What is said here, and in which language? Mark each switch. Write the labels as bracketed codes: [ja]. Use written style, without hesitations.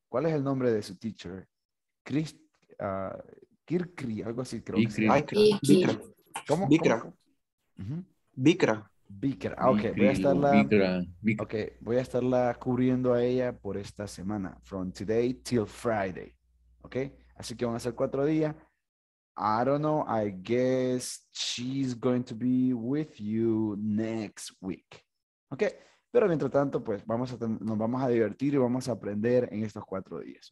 [es] ¿Cuál es el nombre de su teacher? Chris, Kirkri, algo así creo. Bikra. ¿Cómo? Bikra. Bikra. Bikra, ah, ok. Voy a estarla. Bikra. Ok, voy a estarla cubriendo a ella por esta semana. [en] From today till Friday. [es] Ok, así que van a ser 4 días. [en] I don't know, I guess she's going to be with you next week. [es] Ok, pero mientras tanto, pues vamos a nos vamos a divertir y vamos a aprender en estos 4 días.